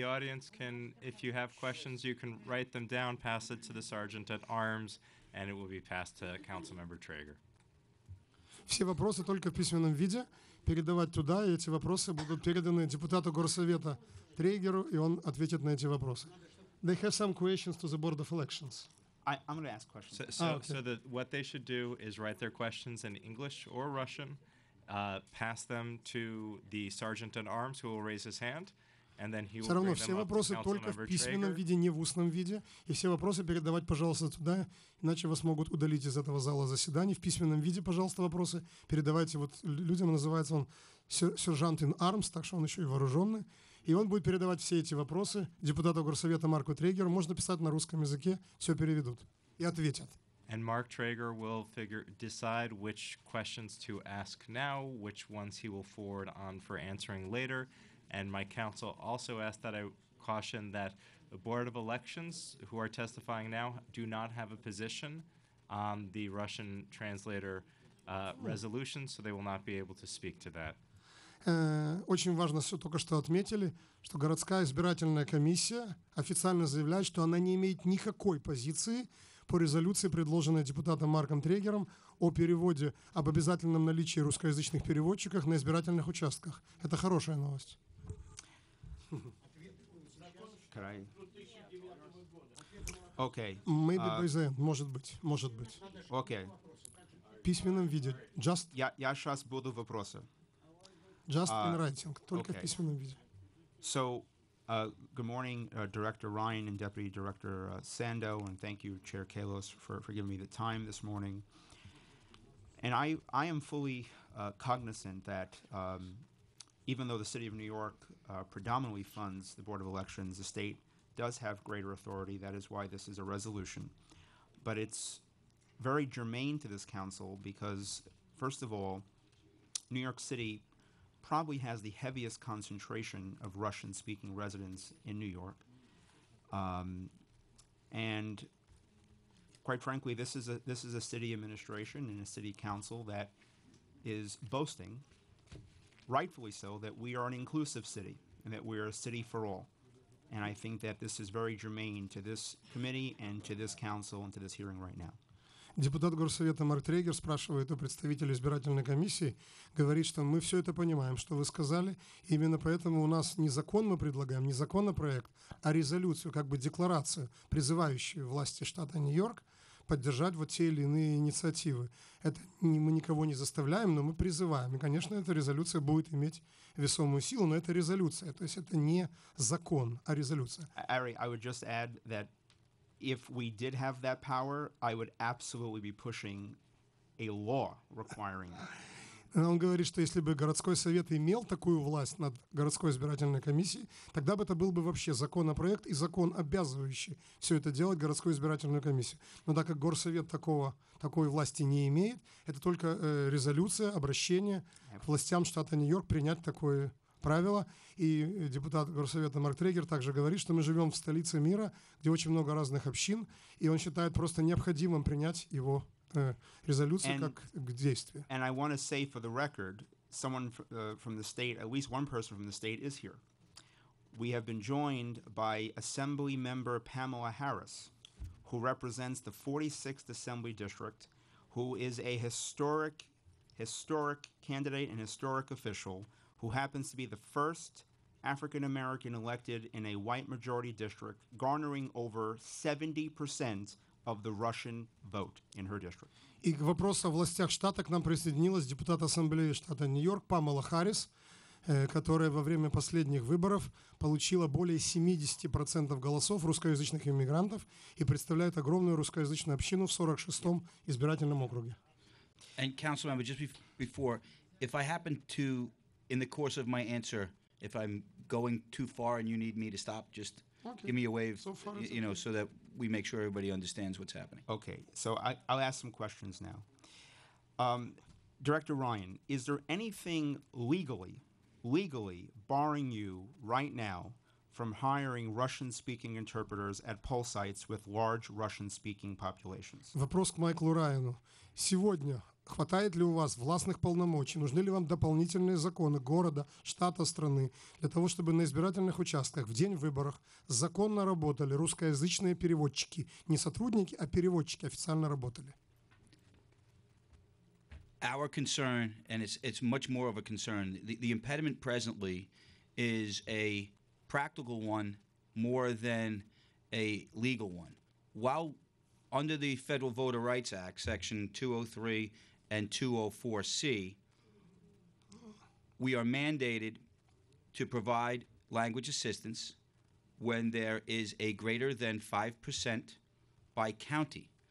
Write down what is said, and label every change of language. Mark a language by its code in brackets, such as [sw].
[en] The audience can, if you have questions, you can write them down, pass it to the sergeant at arms, and it will be passed to Councilmember Traeger. [ru] Все вопросы только в письменном виде передавать туда, и эти вопросы будут переданы депутату горсовета Трейгеру, и он ответит на эти вопросы. [en] They have some questions to the Board of Elections. I'm going to ask questions. What they should do is write their questions in English or Russian, pass them to the sergeant at arms, who will raise his hand, and then he will bring them up to Councilmember Traeger. [ru] Все вопросы только в письменном виде, не в устном виде, и все вопросы передавать, пожалуйста, туда, иначе вас могут удалить из этого зала заседаний. В письменном виде, пожалуйста, вопросы передавайте вот людям. Называется он сержант [en] in arms, [ru] так что он еще и вооруженный, и он будет передавать все эти вопросы депутату горсовета Марку Трейгеру. Можно писать на русском языке, все переведут и ответят. [en] And Mark Traeger will decide which questions to ask now, which ones he will forward on for answering later. And my counsel also asked that I caution that the Board of Elections, who are testifying now, do not have a position on the Russian translator resolution, so they will not be able to speak to that. [ru] Очень важно, что только что отметили, что городская избирательная комиссия официально заявляет, что она не имеет никакой позиции по резолюции, предложенной депутатом Марком Трейгером, о переводе, об обязательном наличии русскоязычных переводчиков на избирательных участках. Это хорошая новость. [en] Okay. Maybe by the end. [ru] Может быть. Может быть. [en] Okay. [ru] В письменном виде. [en] Just. [ru] Я сейчас буду вопросы. [en] Just in writing. [ru] Только okay. В письменном виде. [en] So, good morning, Director Ryan and Deputy Director Sando, and thank you, Chair Kallos, for giving me the time this morning. And I am fully cognizant that even though the City of New York predominantly funds the Board of Elections, the state does have greater authority. That is why this is a resolution. But it's very germane to this council because, first of all, New York City probably has the heaviest concentration of Russian-speaking residents in New York. And quite frankly, this is a city administration and a city council that is boasting, rightfully so, that we are an inclusive city and that we are a city for all. And I think that this is very germane to this committee and to this council and to this hearing right now. [ru] Депутат горсовета Марк Трейгер спрашивает у представителя избирательной комиссии, говорит, что мы все это понимаем, что вы сказали, и именно поэтому у нас не закон мы предлагаем, не законопроект, а резолюцию, как бы декларацию, призывающую власти штата Нью-Йорк поддержать вот те или иные инициативы. Это не, мы никого не заставляем, но мы призываем. И, конечно, эта резолюция будет иметь весомую силу, но это резолюция. То есть это не закон, а резолюция. [en] Ari, I would just add that if we did have that power, I would absolutely be pushing a law requiring it. [ru] Он говорит, что если бы городской совет имел такую власть над городской избирательной комиссией, тогда бы это был бы вообще законопроект и закон, обязывающий все это делать городскую избирательную комиссию. Но так как горсовет такой власти не имеет, это только резолюция, обращение к властям штата Нью-Йорк принять такое правило. И депутат горсовета Марк Трегер также говорит, что мы живем в столице мира, где очень много разных общин, и он считает просто необходимым принять его [en] And I want to say for the record, someone from the state, at least one person from the state is here. We have been joined by Assembly Member Pamela Harris, who represents the 46th Assembly District, who is a historic candidate and historic official, who happens to be the first African-American elected in a white majority district, garnering over 70% of the Russian vote in her district. [ru] И к вопросу о властях штата к нам присоединилась депутат Ассамблеи штата Нью-Йорк Памела Харрис, которая во время последних выборов получила более 70% голосов русскоязычных иммигрантов и представляет огромную русскоязычную общину в 46-м избирательном округе. [en] And council member, just before, if I happen to, in the course of my answer, if I'm going too far and you need me to stop, just okay. Give me a wave, so far, you know, so that we make sure everybody understands what's happening. Okay, so I'll ask some questions now. Director Ryan, is there anything legally barring you right now from hiring Russian-speaking interpreters at poll sites with large Russian-speaking populations? [ru] Вопрос к Майклу Райану. Сегодня хватает ли у вас властных полномочий? Нужны ли вам дополнительные законы города, штата, страны для того, чтобы на избирательных участках в день выборов законно работали русскоязычные переводчики? Не сотрудники, а переводчики официально работали. [en] Our concern, and it's much more of a concern, the impediment presently is a practical one more than a legal one. While under the Federal Voter Rights Act, Section 203 and 204C, we are mandated to provide language assistance when there is a greater than 5% by county.